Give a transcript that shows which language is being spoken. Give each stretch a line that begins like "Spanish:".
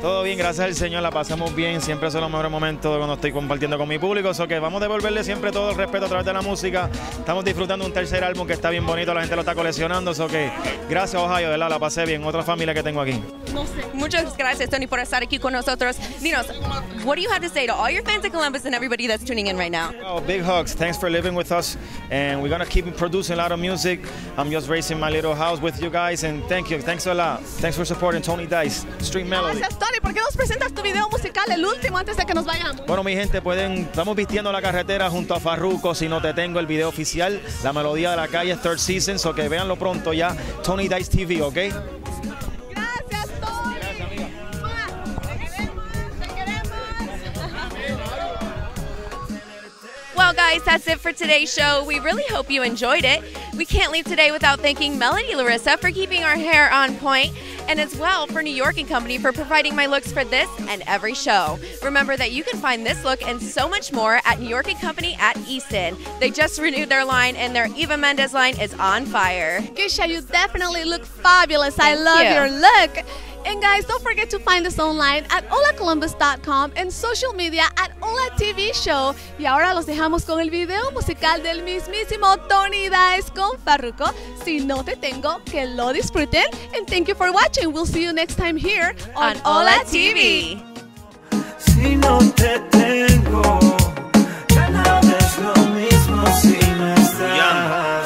Spanish: Todo bien, gracias al Señor, la pasamos bien. Siempre son los mejores momentos cuando estoy compartiendo con mi público. Eso que vamos a devolverle siempre todo el respeto a través de la música. Estamos disfrutando un tercer álbum que está bien bonito, la gente lo está coleccionando. Eso que gracias, Ohio, ¿verdad? La pasé bien. Otra familia que tengo aquí. No sé. Muchas gracias, Tony, por estar aquí con nosotros. Dinos,
English: what do you have to say to all your fans in Columbus and everybody that's tuning in right now? Oh, big hugs. Thanks for living with us. And we're going to keep producing a lot of music. I'm just raising my little house with you guys. And thank you. Thanks a lot. Thanks for supporting Tony Dice. Street Melody.
Spanish: Gracias, Tony. ¿Por qué nos presentas tu video musical, el último, antes de que nos vayamos? Bueno, mi gente, estamos vistiendo la carretera junto a Farruko. Si no te tengo, el video oficial, La Melodía de la Calle, Third Season. So que véanlo pronto ya. Tony Dice TV, ¿ok?
English: Well, guys, that's it for today's show. We really hope you enjoyed it. We can't leave today without thanking Melody Larissa for keeping our hair on point, and as well for New York & Company for providing my looks for this and every show. Remember that you can find this look and so much more at New York & Company at Easton. They just renewed their line, and their Eva Mendez line is on fire. Keisha, you definitely look fabulous. Thank I love you. Your look. And guys, don't forget to find us online at holacolumbus.com and social media at Hola TV Show.
Spanish: Y ahora los dejamos con el video musical del mismísimo Tony Dice con Farruko. Si no te tengo, que lo disfruten.
English: And thank you for watching. We'll see you next time here on Hola TV.
Spanish: Si no te tengo, ya no es lo mismo si no estás.